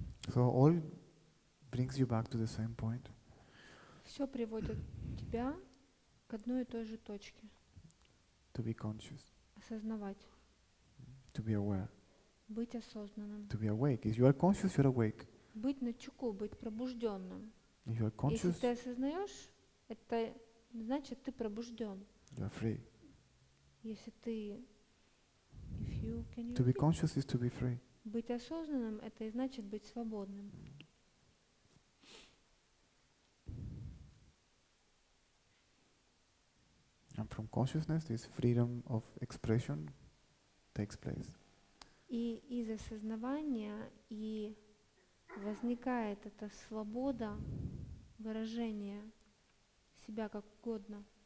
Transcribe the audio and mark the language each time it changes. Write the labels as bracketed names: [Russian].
[English] So all brings you back to the same point. [Russian] Все приводит тебя к одной и той же точке. [English] To be conscious. [Russian] Осознавать. [English] To be aware. [Russian] Быть осознанным. [English] To be awake. If you are conscious, you're awake. [Russian] Быть начеку, быть пробужденным. [English] If you are conscious, [Russian] если ты осознаешь, это значит, ты пробужден. [English] You're free. [Russian] Если ты, [English] if you, can you to be conscious is to be free. [Russian] Быть осознанным – это и значит быть свободным. [English] And from consciousness, this freedom of expression takes place. [Russian] И из осознавания и возникает эта свобода выражения себя как угодно.